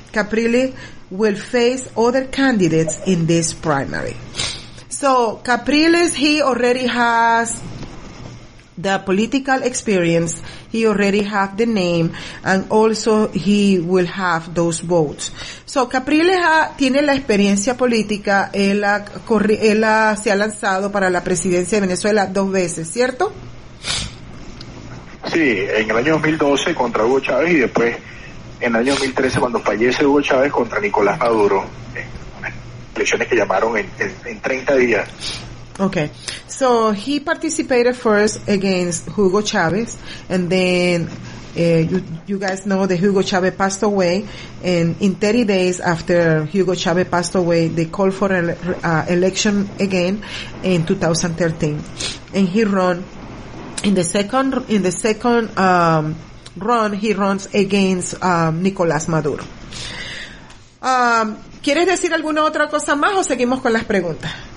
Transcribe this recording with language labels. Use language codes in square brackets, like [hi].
[en] Capriles will face other candidates in this primary. So Capriles, he already has the political experience, he already have the name, and also he will have those votes. [es] So Capriles tiene la experiencia política, él se ha lanzado para la presidencia de Venezuela dos veces, ¿cierto? Sí, en el año 2012 contra Hugo Chávez y después en el año 2013 cuando fallece Hugo Chávez contra Nicolás Maduro, elecciones que llamaron en 30 días. [en] Okay, so he participated first against Hugo Chávez, and then you guys know that Hugo Chávez passed away, and in 30 days after Hugo Chávez passed away, they called for election again in 2013, and he run in the second run, he runs against Nicolás Maduro. [es] ¿Quieres decir alguna otra cosa más o seguimos con las preguntas?